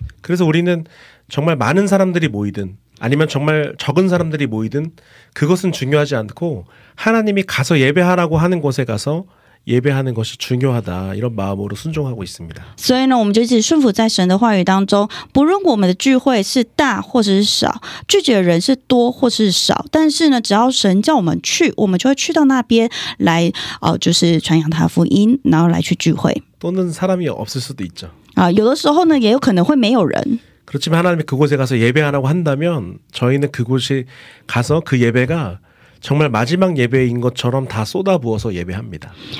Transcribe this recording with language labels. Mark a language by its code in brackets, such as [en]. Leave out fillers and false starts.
[ko] 그래서 우리는 정말 많은 사람들이 모이든 아니면 정말 적은 사람들이 모이든 그것은 중요하지 않고 하나님이 가서 예배하라고 하는 곳에 가서 예배하는 것이 중요하다 이런 마음으로 순종하고 있습니다. [zh] 所以呢我们就一直顺服在神的话语当中不论我们的聚会是大或是少拒绝人是多或是少但是呢只要神叫我们去我们就会去到那边来就是传扬他的福音然后来去聚会 [ko] 또는 사람이 없을 수도 있죠. [zh] 有的时候呢也有可能会没有人 [ko] 그렇지만 하나님이 그곳에 가서 예배하라고 한다면 저희는 그곳에 가서 그 예배가 정말 마지막 예배인 것처럼 다 쏟아부어서 예배합니다.